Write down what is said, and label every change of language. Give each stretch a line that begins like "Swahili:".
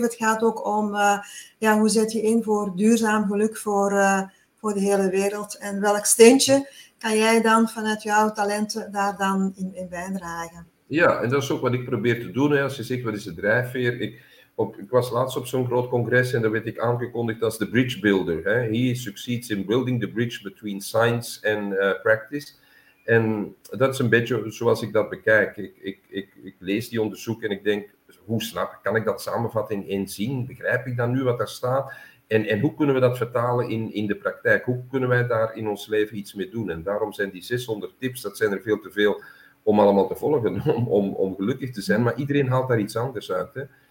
Dutch: Het gaat ook om, hoe zet je in voor duurzaam geluk voor de hele wereld? En welk steentje kan jij dan vanuit jouw talenten daar dan in bijdragen? Ja, en dat is ook wat ik probeer te doen. Hè. Als je zegt, wat is de drijfveer? Ik was laatst op zo'n groot congres en daar werd ik aangekondigd als de bridge builder. Hè.
English: He succeeds in building the bridge between science and practice.
Dutch: En dat is een beetje zoals ik dat bekijk. Ik lees die onderzoek en ik denk, kan ik dat samenvatten in één zin? Begrijp ik dan nu wat daar staat? En hoe kunnen we dat vertalen in de praktijk? Hoe kunnen wij daar in ons leven iets mee doen? En daarom zijn die 600 tips, dat zijn er veel te veel om allemaal te volgen, om gelukkig te zijn. Maar iedereen haalt daar iets anders uit, hè.